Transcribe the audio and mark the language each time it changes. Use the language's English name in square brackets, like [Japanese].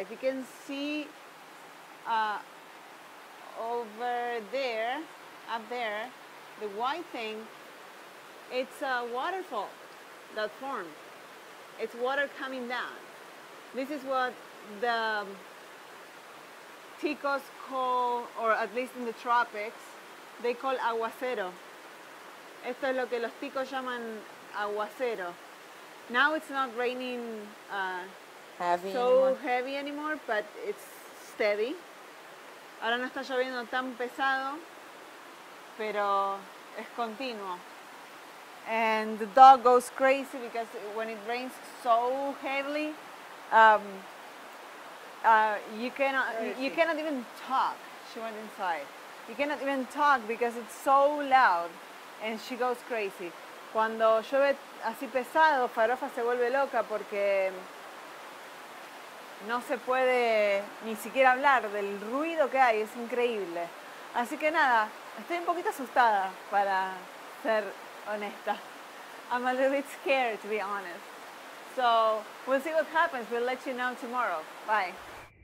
[English] If you can see over there, up there, the white thing, it's a waterfall that formed. It's water coming down. This is what the Ticos call, or at least in the tropics, they call aguacero. [Spanish] Esto es lo que los ticos llaman aguacero. [English] Now it's not raining heavy anymore, but it's steady. [Spanish] Ahora no está lloviendo tan pesado, pero es continuo. [English] And the dog goes crazy because when it rains so heavily, you cannot even talk. She went inside. You cannot even talk because it's so loud, and she goes crazy. [Spanish] Cuando llueve así pesado, Farofa se vuelve loca porque no se puede ni siquiera hablar del ruido que hay. Es increíble. Así que nada, estoy un poquito asustada, para ser honesta. [English] I'm a little bit scared, to be honest. So we'll see what happens. We'll let you know tomorrow. Bye.